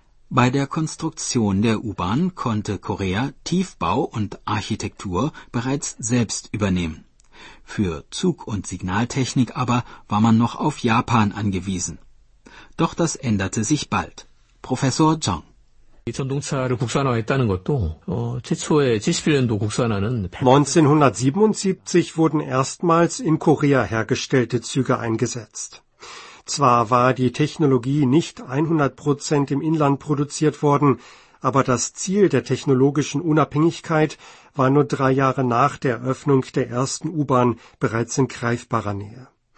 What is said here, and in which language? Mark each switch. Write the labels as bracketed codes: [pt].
[de] Bei der Konstruktion der U-Bahn konnte Korea Tiefbau und Architektur bereits selbst übernehmen. Für Zug- und Signaltechnik aber war man noch auf Japan angewiesen. Doch das änderte sich bald. Professor Zhang. [ko] 전동차를 국산화했다는 것도 최초의 77년도 국산화는 [de] 1977 wurden erstmals in Korea hergestellte Züge eingesetzt. Zwar war die Technologie nicht 100% im Inland produziert worden, aber das Ziel der technologischen Unabhängigkeit war nur 3 Jahre nach der Eröffnung der ersten U-Bahn bereits in greifbarer Nähe.